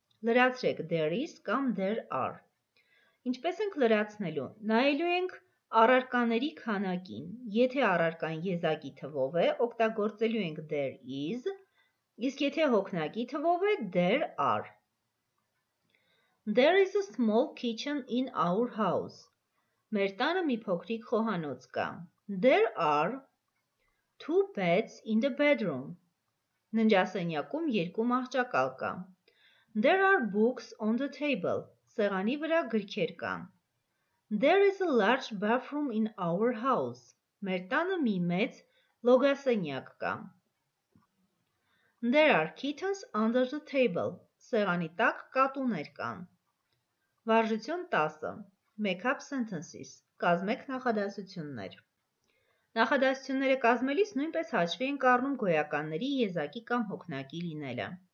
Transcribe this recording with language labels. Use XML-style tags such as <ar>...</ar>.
<hy>Լրացրեք there is կամ there are. Ինչպես ենք լրացնելու։ Նայելու ենք առարկաների քանակին։ Եթե առարկան եզակի թվով է, օգտագործելու ենք there is, իսկ եթե հոգնակի թվով է, there are.</hy> <en>There is a small kitchen in our house.</en> <hy>Մեր տանը մի փոքրիկ խոհանոց կա.</hy> <en>There are two beds in the bedroom.</en> <hy>Ննջասենյակում երկու մահճակալ կա.</hy> <en>There are books on the table.</en> <hy>Սեղանի վրա գրքեր կան.</hy> <en>There is a large bathroom in our house.</en> <hy>Մեր տանը մի մեծ լոգասենյակ կա.</hy> <en>There are kittens under the table.</en> <hy>Սեղանի տակ կատուներ կան. Վարժություն 10.</hy> <en>Make up sentences.</en> <hy>Կազմեք նախադասություններ. Նախադասությունները կազմելիս նույնպես հաշվի ենք առնում գոյականների եզակի կամ հոգնակի լինելը.</hy>